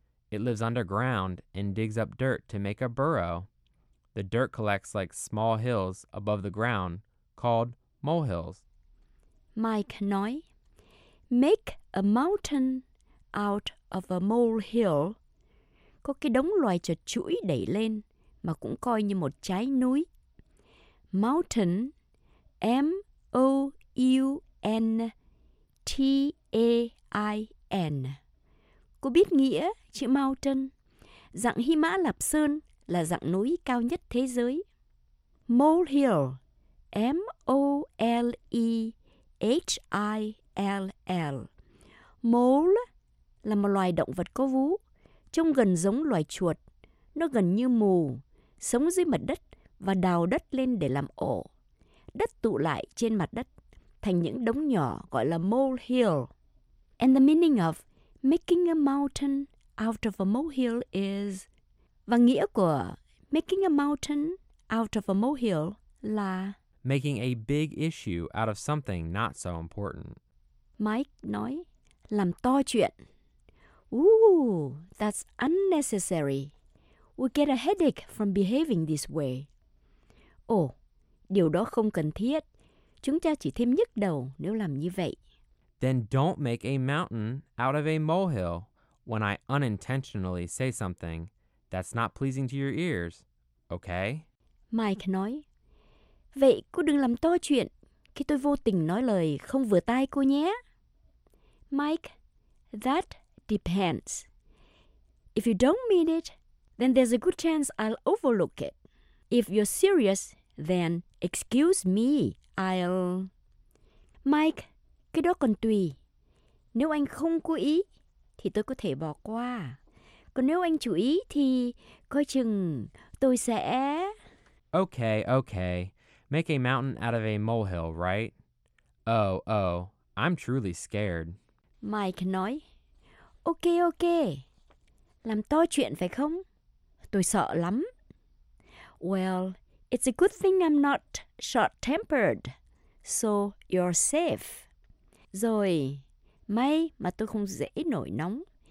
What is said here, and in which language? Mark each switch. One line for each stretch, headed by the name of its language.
English: It lives underground and digs up dirt to make a burrow. The dirt collects like small hills above the ground, called molehills.
Vietnamese: Mike nói,
English: make a mountain out of a molehill.
Vietnamese: Có cái đống loài chuột chũi đẩy lên mà cũng coi như một trái núi.
English: Mountain, M-O-U-N-T-A-I-N.
Vietnamese: Cô biết nghĩa chữ mountain, dạng Hy Mã Lạp Sơn là dạng núi cao nhất thế giới.
English: Molehill, M-O-L-E-H-I-L-L.
Vietnamese: Mole là một loài động vật có vú, trông gần giống loài chuột. Nó gần như mù, sống dưới mặt đất và đào đất lên để làm ổ. Đất tụ lại trên mặt đất thành những đống nhỏ gọi là molehill.
English: And the meaning of making a mountain out of a molehill is...
Vietnamese: Và nghĩa của
English: making a mountain out of a molehill
Vietnamese: là...
English: Making a big issue out of something not so important.
Vietnamese: Mike nói, làm to chuyện.
English: Ooh, that's unnecessary. We get a headache from behaving this way.
Vietnamese: Oh, điều đó không cần thiết. Chúng ta chỉ thêm nhức đầu nếu làm như vậy.
English: Then don't make a mountain out of a molehill when I unintentionally say something that's not pleasing to your ears, okay?
Vietnamese: Mike nói, vậy cô đừng làm to chuyện khi tôi vô tình nói lời không vừa tai cô nhé.
English: Mike, that depends. If you don't mean it, then there's a good chance I'll overlook it. If you're serious, then excuse me, I'll...
Vietnamese: Mike, cái đó còn tùy. Nếu anh không cố ý, thì tôi có thể bỏ qua. Còn nếu anh chú ý, thì coi chừng tôi sẽ...
English: Okay, okay. Make a mountain out of a molehill, right? Oh, oh, I'm truly scared.
Vietnamese: Mike nói, ok, ok. Làm to chuyện phải không? Tôi sợ lắm.
English: Well, it's a good thing I'm not short-tempered, so you're safe.
Vietnamese: Rồi, may mà tôi không dễ nổi nóng.